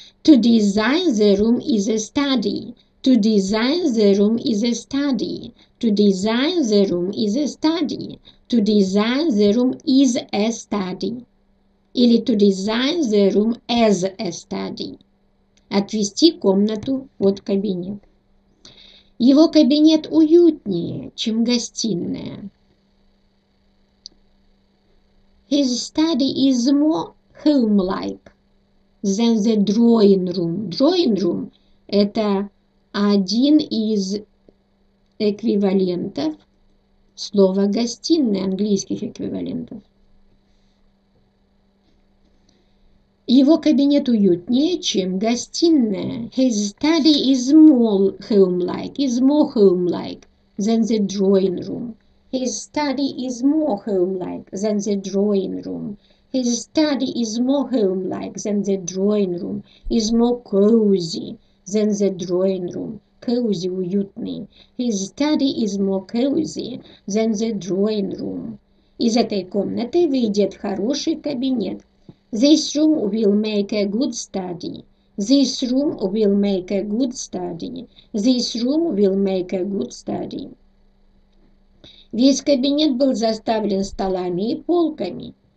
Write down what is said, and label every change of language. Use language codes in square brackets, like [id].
[en] To design the room is a study. To design the room is a study. To design the room is a study. To design the room is a study. Или to design the room as a study. [ru] Отвести комнату под кабинет. Его кабинет уютнее, чем гостиная. [en] His study is more home-like than the drawing room. [ru] Drawing room – это один из эквивалентов слова «гостиная», английских эквивалентов. Его кабинет уютнее, чем гостиная. [en] His study is more home-like. Is more home-like. than the drawing room. His study is more homelike than the drawing room. His study is more homelike than the drawing room. Is more cozy than the drawing room. [ru] Cozy, уютный. His study is more cozy than the drawing room. Из этой комнаты выйдет хороший кабинет. [en] This room will make a good study. This room will make a good study. This room will make a good study. [ru] Весь кабинет был заставлен столами и полками.